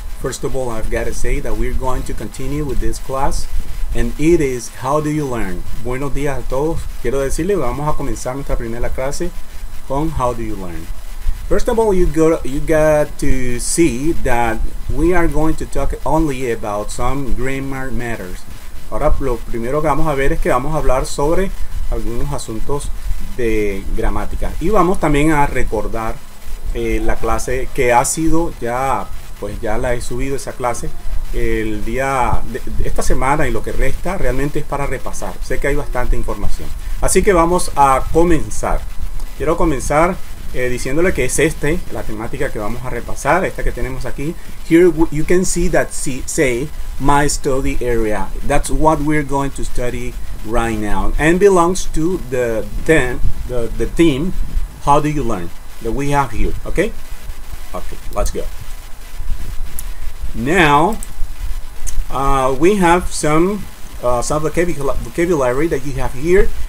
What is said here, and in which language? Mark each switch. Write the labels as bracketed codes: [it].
[en] First of all, I've got to say that we're going to continue with this class, and it is How Do You Learn? [es] Buenos días a todos. Quiero decirle, vamos a comenzar nuestra primera clase con How Do You Learn? [en] First of all, you got to see that we are going to talk only about some grammar matters. [es] Ahora, lo primero que vamos a ver es que vamos a hablar sobre algunos asuntos de gramática. Y vamos también a recordar la clase que ha sido, ya la he subido esa clase el día de esta semana, y lo que resta realmente es para repasar. Sé que hay bastante información, así que vamos a comenzar. Quiero comenzar diciéndole que es este la temática que vamos a repasar, esta que tenemos aquí. [en] Here you can see that say my study area. That's what we're going to study right now, and belongs to the theme How Do You Learn that we have here. Okay, let's go. Now, we have some vocabulary that you have here.